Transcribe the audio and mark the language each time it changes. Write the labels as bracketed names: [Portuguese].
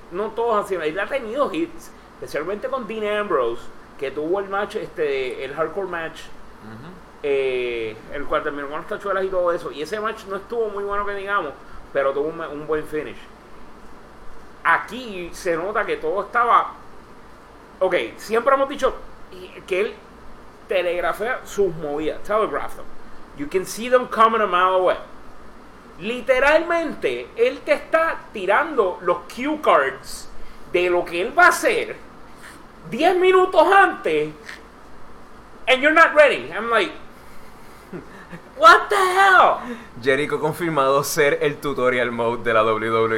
[Spanish] No todos han sido. Él ha tenido hits, especialmente con Dean Ambrose, que tuvo el match, el hardcore match, el cual terminó con las tachuelas y todo eso. Y ese match no estuvo muy bueno, que digamos, pero tuvo un buen finish. Aquí se nota que todo estaba. Ok, siempre hemos dicho que él telegrafea sus movidas, telegrafía. [English] You can see them coming a mile away. [Spanish] Literalmente, él te está tirando los cue cards de lo que él va a hacer 10 minutos antes. [English] And you're not ready. I'm like, what the hell? [Spanish] Jericho confirmado ser el tutorial mode de la WWE.